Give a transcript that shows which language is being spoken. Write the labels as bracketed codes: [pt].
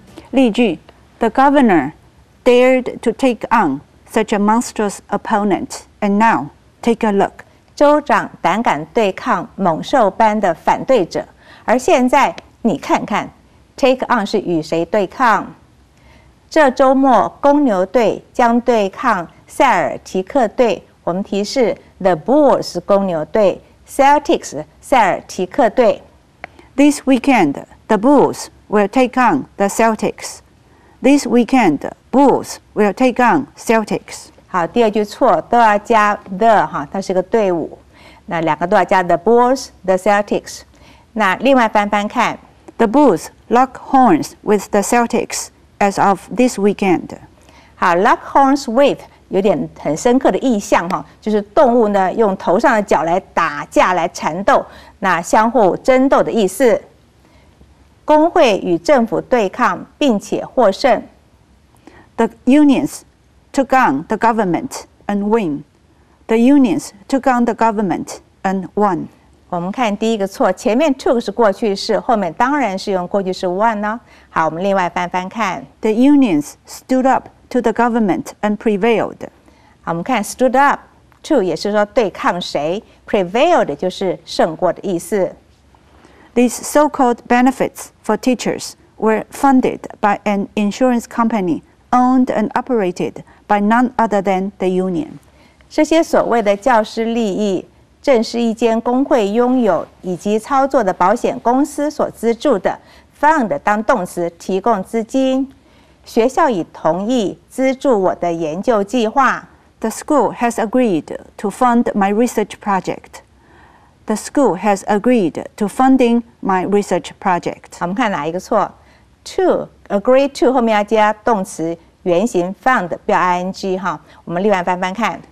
[zh] 例句 [en] The governor dared to take on such a monstrous opponent, and now take a look. [zh] 州长胆敢对抗猛兽般的反对者，而现在你看看 ，take on 是与谁对抗？这周末公牛队将对抗塞尔提克队。我们提示 The Bulls 公牛队 ，Celtics 塞尔提克队。 [en] This weekend, the Bulls. Will take on the Celtics. This weekend, Bulls will take on Celtics. [zh] 好，第二句错，都要加 the 哈，它是个队伍。那两个都要加 the Bulls, the Celtics. 那另外翻翻看 [en] ，The Bulls lock horns with the Celtics as of this weekend. [zh] 好 ，lock horns with 有点很深刻的意象哈，就是动物呢用头上的角来打架来缠斗，那相互争斗的意思。工会与政府对抗并且获胜。 [en] The unions took on the government and win. The unions took on the government and won. [zh] 我们看第一个错，前面 took 是过去式，后面当然是用过去式 won 呢。好，我们另外翻翻看。 [en] The unions stood up to the government and prevailed. [zh] 好，我们看 stood up to 也是说对抗谁 ，prevailed 就是胜过的意思。 [en] These so-called benefits for teachers were funded by an insurance company owned and operated by none other than the union. [zh] 这些所谓的教师利益正是一间工会拥有以及操作的保险公司所资助的 fund 当动词提供资金。学校已同意资助我的研究计划。 [en] The school has agreed to fund my research project. The school has agreed to funding my research project. [zh] 我们看哪一个错 ？ [en] To agree to [zh] 后面要加动词原形 fund 不要 ing 哈。我们另外翻翻看。